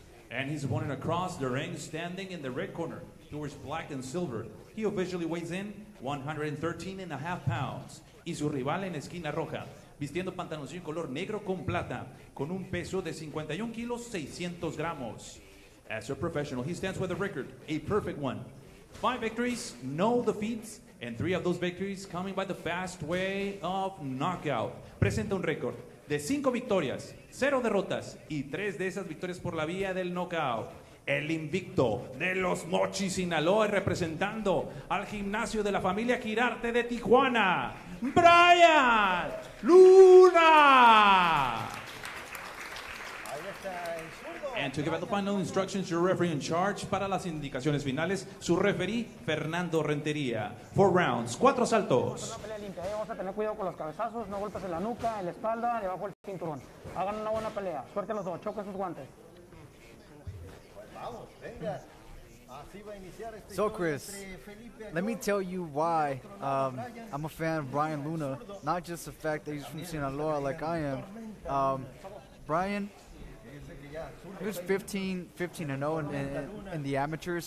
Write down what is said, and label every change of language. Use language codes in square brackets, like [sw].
[en] And his opponent across the ring, standing in the red corner, towards black and silver. He officially weighs in 113.5 pounds. [es] Y su rival en esquina roja, vistiendo pantaloncillo color negro con plata, con un peso de 51 kilos 600 gramos. [en] As a professional, he stands with a record, a perfect one. 5 victories, no defeats, and 3 of those victories coming by the fast way of knockout. [es] Presenta un récord de 5 victorias, 0 derrotas, y 3 de esas victorias por la vía del knockout. El invicto de Los Mochis, Sinaloa, representando al gimnasio de la familia Girarte de Tijuana, Brian Luna. [en] And to give out the final instructions, your referee in charge. [es] Para las indicaciones finales, su referee, Fernando Rentería. 4 rounds, 4 saltos. Una pelea limpia, vamos a tener cuidado con los cabezazos, no golpes en la nuca, en la espalda, debajo del cinturón. Hagan una buena pelea, suerte a los dos, choquen sus guantes. [en] So Chris, let me tell you why I'm a fan of Brian Luna. Not just the fact that he's from Sinaloa like I am. Brian, he was 15-0 in the amateurs.